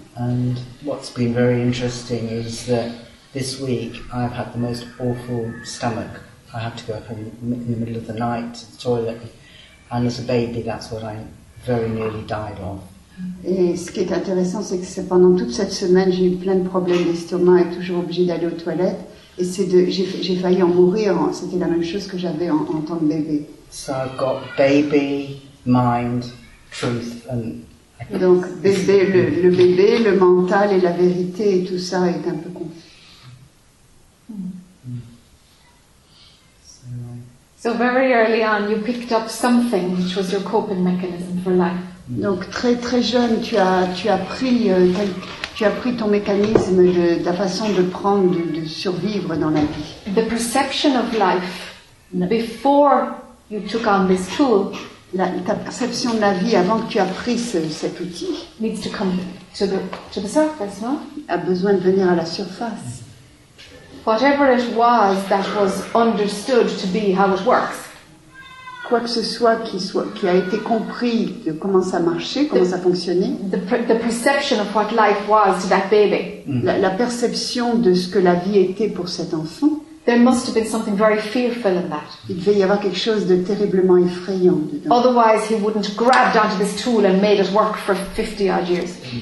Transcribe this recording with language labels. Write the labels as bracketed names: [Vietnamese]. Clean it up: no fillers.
[English] And what's been very interesting is that this week I've had the most awful stomach. I have to go up in the middle of the night to the toilet, and as a baby, that's what I very nearly died of. [French] Et ce qui est intéressant, c'est que c'est pendant toute cette semaine, j'ai eu plein de problèmes d'estomac et toujours obligée d'aller aux toilettes. Et c'est de, j'ai failli en mourir. C'était la même chose que j'avais en tant que bébé. [English] So I've got baby, mind, truth, and. [French] Donc bébé, le bébé, le mental et la vérité et tout ça est un peu confus. [English] So very early on, you picked up something which was your coping mechanism for life. [French] Donc très très jeune, tu as pris ton mécanisme de la façon de prendre de survivre dans la vie. [English] The perception of life before you took on this tool. [French] Ta perception de la vie avant que tu aies pris cet outil. [English] Needs to come to the surface, non? [French] A besoin de venir à la surface. [English] Whatever it was that was understood to be how it works. [French] Quoi que ce soit qui a été compris de comment ça marchait, comment ça fonctionnait. [English] The perception of what life was to that baby. [French] La perception de ce que la vie était pour cet enfant. [English] There must have been something very fearful in that. [French] Il devait y avoir quelque chose de terriblement effrayant dedans. [English] Otherwise, he wouldn't have grabbed onto this tool and made it work for 50 odd years.